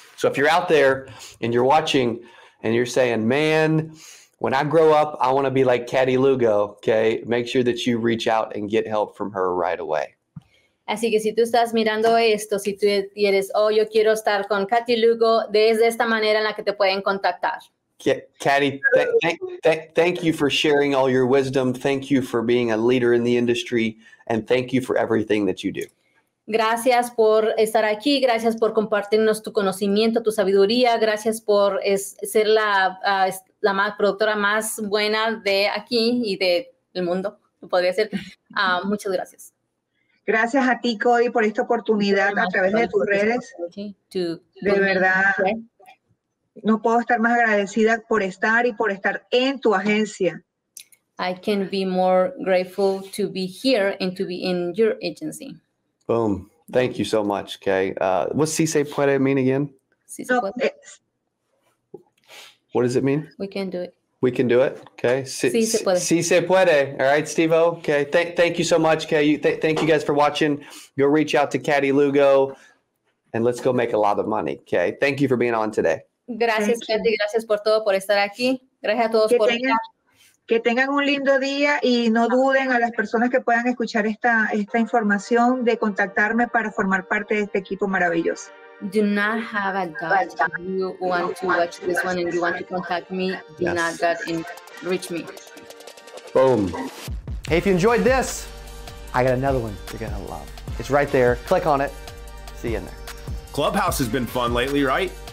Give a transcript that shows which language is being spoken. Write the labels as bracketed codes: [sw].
[en] So if you're out there and you're watching and you're saying, man, when I grow up, I want to be like Caddy Lugo. Okay. Make sure that you reach out and get help from her right away. [es] Así que si tú estás mirando esto, si tú eres, yo quiero estar con Caddy Lugo, desde esta manera en la que te pueden contactar. [en] Caddy, thank you for sharing all your wisdom. Thank you for being a leader in the industry, and thank you for everything that you do. [es] Gracias por estar aquí. Gracias por compartirnos tu conocimiento, tu sabiduría. Gracias por ser la más productora más buena de aquí y del mundo. Podría ser. Muchas gracias. Gracias a ti, Cody, por esta oportunidad a través de tus redes. De verdad. No puedo estar más agradecida por estar y por estar en tu agencia. [en] I can be more grateful to be here and to be in your agency. Boom. Thank you so much, Kay. What's [es] si se puede [en] mean again? [es] Si se puede. [en] What does it mean? We can do it. We can do it. Okay. [es] Si se puede. [en] All right, Steve-O. Okay. Thank you so much, Kay. Thank you guys for watching. Go reach out to Caddy Lugo and let's go make a lot of money. Okay. Thank you for being on today. [es] Gracias, Katy. Gracias por todo, por estar aquí. Gracias a todos por venir. Que tengan un lindo día y no duden a las personas que puedan escuchar esta información de contactarme para formar parte de este equipo maravilloso. [en] Do not have a doubt. You want to watch this one and you want to contact me. Do yes. not doubt and reach me. Boom. Hey, if you enjoyed this, I got another one you're going to love. It's right there. Click on it. See you in there. Clubhouse has been fun lately, right?